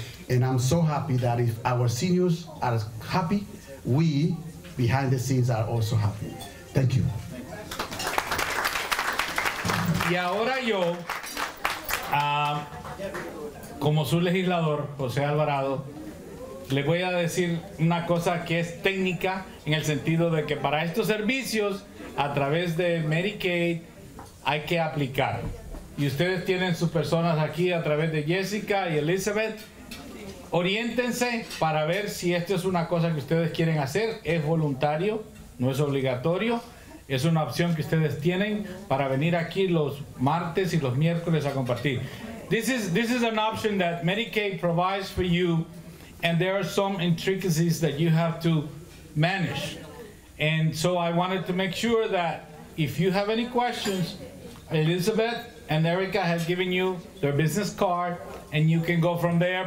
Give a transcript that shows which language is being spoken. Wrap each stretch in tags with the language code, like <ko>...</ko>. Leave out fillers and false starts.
<en>And I'm so happy that if our seniors are happy, we, behind the scenes, are also happy. Thank you.</en> <es>Y ahora yo, como su legislador, José Alvarado, le voy a decir una cosa que es técnica, en el sentido de que para estos servicios, a través de Medicaid, hay que aplicar. Y ustedes tienen sus personas aquí a través de Jessica y Elizabeth. Oriéntense para ver si esto es una cosa que ustedes quieren hacer. Es voluntario, no es obligatorio. Es una opción que ustedes tienen para venir aquí los martes y los miércoles a compartir.</es> <en>This is an option that Medicaid provides for you, and there are some intricacies that you have to manage. And so I wanted to make sure that if you have any questions, Elizabeth and Erica have given you their business card, and you can go from there.</en>